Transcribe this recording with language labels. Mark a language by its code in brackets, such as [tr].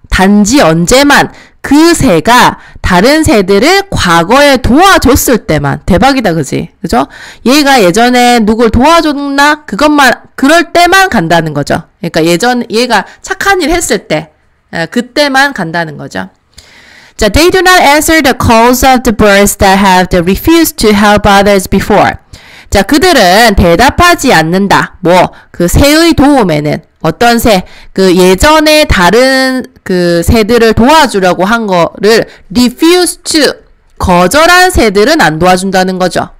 [ko] 단지 언제만 그 새가 다른 새들을 과거에 도와줬을 때만. 대박이다, 그지? 그죠? 얘가 예전에 누굴 도와줬나? 그것만, 그럴 때만 간다는 거죠. 그러니까 예전, 얘가 착한 일 했을 때, 그때만 간다는 거죠. [en] 자, they do not answer the calls of the birds that have refused to help others before. [ko] 자, 그들은 대답하지 않는다. 뭐, 그 새의 도움에는. 어떤 새? 그 예전에 다른 그 새들을 도와주려고 한 거를 refuse to, 거절한 새들은 안 도와준다는 거죠.